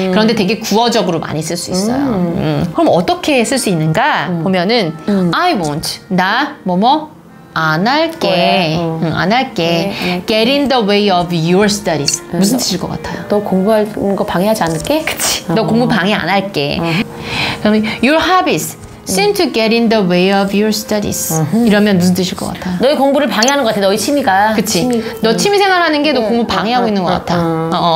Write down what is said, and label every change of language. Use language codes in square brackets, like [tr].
[ko] 그런데 되게 구어적으로 많이 쓸 수 있어요. 그럼 어떻게 쓸 수 있는가? 보면은 I won't. 나 뭐뭐 안 할게. 안 할게. 네. [en] Get in the way of your studies. 무슨 뜻일 것 같아요? [ko] 너 공부하는 거 방해하지 않을게? 그치. 너 공부 방해 안 할게. 그럼 your hobbies. [en] Seem to get in the way of your studies. [ko] 이러면 무슨 뜻일 것 같아? 너의 공부를 방해하는 것 같아. 너의 취미가. 그치. 너 취미 생활하는 게 너 공부 방해하고 있는 것 같아.